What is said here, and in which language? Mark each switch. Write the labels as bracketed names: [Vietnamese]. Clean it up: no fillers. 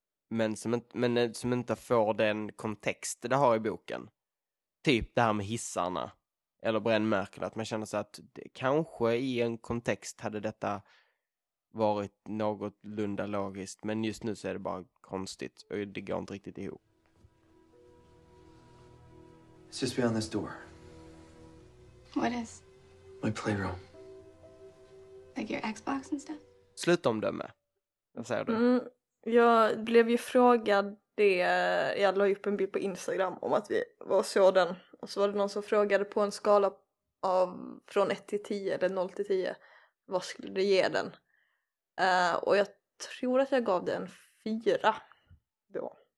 [Swedish] Men som inte får den kontext det har i boken. Typ det här med hissarna. Eller brännmärken, att man känner sig att det, kanske i en kontext hade detta varit något lunda logiskt, men just nu så är det bara konstigt och det går inte riktigt ihop. [English] It's just beyond this door. What is? My playroom. Like your Xbox and stuff? [Swedish] Slutomdöme. Vad säger du? Jag blev ju frågad det, jag la upp en bild på Instagram om att vi var sådan. Och så var det någon som frågade på en skala av från 1 till 10 eller 0 till 10. Vad skulle du ge den? Och jag tror att jag gav den 4 då.